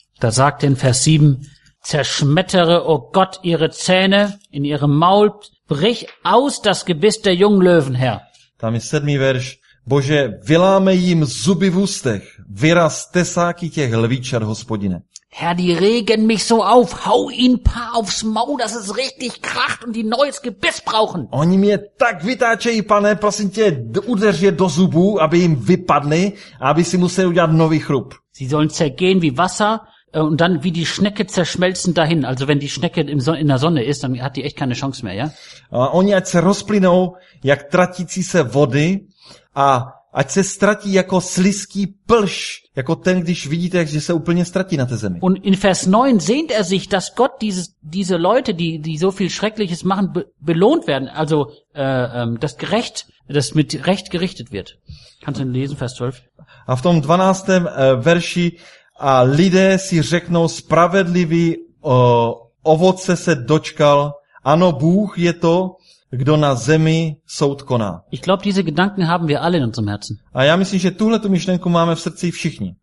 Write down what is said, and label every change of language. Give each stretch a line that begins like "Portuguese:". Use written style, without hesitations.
German: Da sagt in Vers 7, zerschmettere, o Gott, ihre Zähne in ihrem Maul, brich aus das Gebiss der jungen Löwen, Herr.
Czech: Tam je 7. verš. Bože, vylámej jim zuby v ústech, vyraz tesáky těch lvíčat, Hospodine.
German: Herr, die regen mich so auf, hau ihn paar aufs Maul, dass es richtig kracht und die neues Gebiss brauchen.
Czech: Oni mě tak vytáčejí, pane, prosím tě, udeř je do zubů, aby jim vypadly, aby si museli udělat nový chrup.
German: Sie sollen zergehen wie Wasser und dann wie die Schnecke zerschmelzen dahin. Also wenn die Schnecke in der Sonne ist, dann hat die echt keine Chance mehr, ja?
Czech: Oni ať se rozplynou, jak tratící se vody, a ať se ztratí jako slizký plš, jako ten, když vidíte, že se úplně ztratí na té zemi.
German: Und in Vers 9 sehnt er sich, dass Gott diese Leute, die so viel Schreckliches machen, belohnt werden, also das mit Recht gerichtet wird. Kannst du lesen, Vers 12?
Czech: A v tom 12. verši a lidé si řeknou, spravedlivý ovoce se dočkal, ano, Bůh je to, kdo na zemi soud koná.
German: Ich glaube, diese Gedanken haben wir alle in unserem Herzen.
Czech: A já myslím, že tuhle tu myšlenku máme v srdci všichni.